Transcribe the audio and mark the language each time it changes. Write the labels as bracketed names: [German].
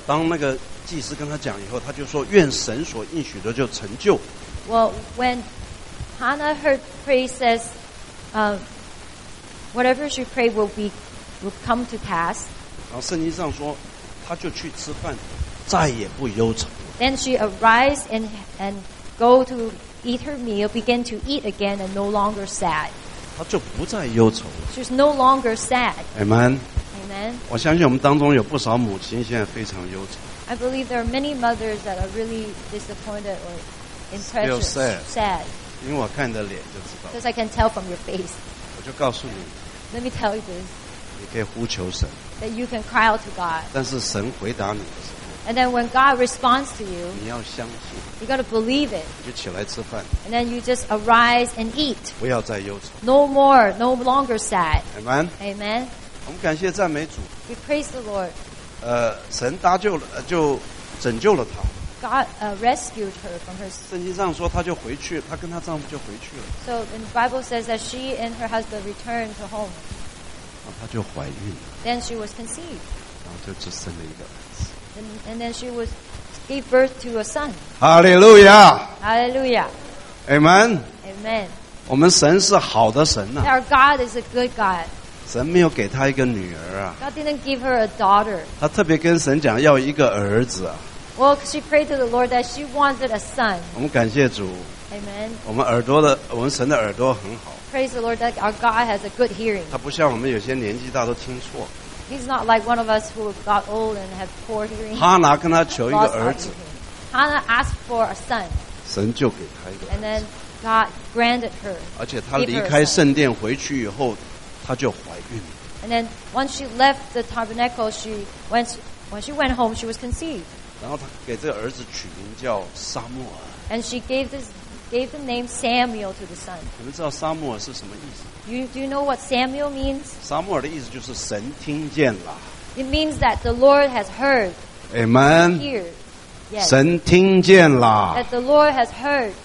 [Chinese] 当那个祭司跟她讲以后，她就说：“愿神所应许的就成就。” [English] Well, when Hannah heard priest says, whatever she prayed will come to pass. [Chinese] 然后圣经上说，她就去吃饭，再也不忧愁。 [English] Then she arise and go to. Eat her meal, begin to eat again, and no longer sad. [Chinese] 她就不再忧愁了。 [English] She's no longer sad. Amen. Amen. [Chinese] 我相信我们当中有不少母亲现在非常忧愁。 [English] I believe there are many mothers that are really disappointed or impressed. Still sad. Sad. [Chinese] 因为我看你的脸就知道。 [English] Because I can tell from your face. [Chinese] 我就告诉你。 [English] Let me tell you this. [Chinese] 你可以呼求神。 [English] That you can cry out to God. [Chinese] 但是神回答你。 [English] And then when God responds to you, [Chinese] 你要相信。 [English] You gotta believe it. [Chinese] 你就起来吃饭。 [English] And then you just arise and eat. [Chinese] 不要再忧愁。 [English] No more, no longer sad. Amen. Amen. [Chinese] 我们感谢赞美主。 [English] We praise the Lord. [Chinese] 神搭救了，就拯救了她。 [English] God rescued her from her. [Chinese] 圣经上说，她就回去，她跟她丈夫就回去了。 [English] So the Bible says that she and her husband returned to home. [Chinese] 然后她就怀孕了。 [English] Then she was conceived. [Chinese] 然后就只生了一个。 [English] And then she was gave birth to a son. Hallelujah. Hallelujah. Amen. Amen. [Chinese] 我们神是好的神啊。 [English] Our God is a good God. [Chinese] 神没有给她一个女儿啊。 [English] God didn't give her a daughter. [Chinese] 她特别跟神讲要一个儿子啊。 [English] Well, she prayed to the Lord that she wanted a son. [Chinese] 我们感谢主。 [English] Amen. [Chinese] 我们耳朵的，我们神的耳朵很好。 [English] Praise the Lord that our God has a good hearing. [Chinese] 他不像我们有些年纪大都听错。 [English] He's not like one of us who got old and have poor hearing. [Chinese] Hannah 跟他求一个儿子。 [English] Hannah asked for a son. [Chinese] 神就给他一个儿子。 [English] And then God granted her. [Chinese] 而且她离开圣殿回去以后，她就怀孕了。 [English] And then once she left the tabernacle, when she went home, she was conceived. [Chinese] 然后她给这个儿子取名叫撒母耳。 [English] And she gave the name Samuel to the son. [Chinese] 你们知道 Samuel 是什么意思？ [English] Do you know what Samuel means? [Chinese] Samuel 的意思就是神听见了。 [English] It means that the Lord has heard. Amen. Hear. Yes. [Chinese] 神听见了。 [English] That the Lord has heard.